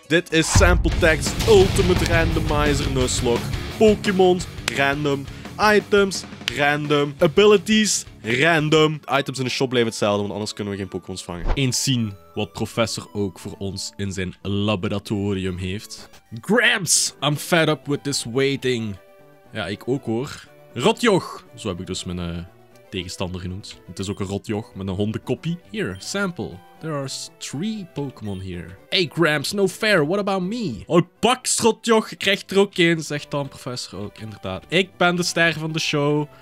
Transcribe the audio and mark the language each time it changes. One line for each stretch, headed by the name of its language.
Dutch: Dit is Sample Text Ultimate Randomizer Nuzlocke. Pokémon, random. Items, random. Abilities, random. Items in de shop blijven hetzelfde, want anders kunnen we geen Pokémon vangen. Eens zien wat Professor Oak voor ons in zijn laboratorium heeft.
English: Gramps, I'm fed up with this waiting.
Dutch: Ja, ik ook hoor. Rotjoch, zo heb ik dus mijn tegenstander genoemd. Het is ook een rotjoch met een hondenkoppie.
English: Here, sample. There are 3 Pokémon here. Hey Gramps, no fair. What about me?
Dutch: Oh, pak, rotjoch. Je krijgt er ook één, zegt dan Professor Oak. Inderdaad. Ik ben de ster van de show.